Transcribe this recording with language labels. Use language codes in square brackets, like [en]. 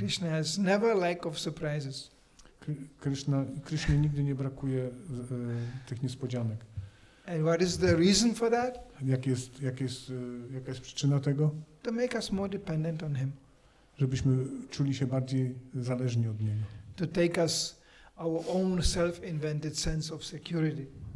[en] Krishna has never lack of surprises. [pl] Krishna nigdy nie brakuje tych niespodzianek. [en] And what is the reason for that? [pl] Jaka jest przyczyna tego? [en] To make us more dependent on him. [pl] Żebyśmy czuli się bardziej zależni od niego. [en] To take us our own self-invented sense of security.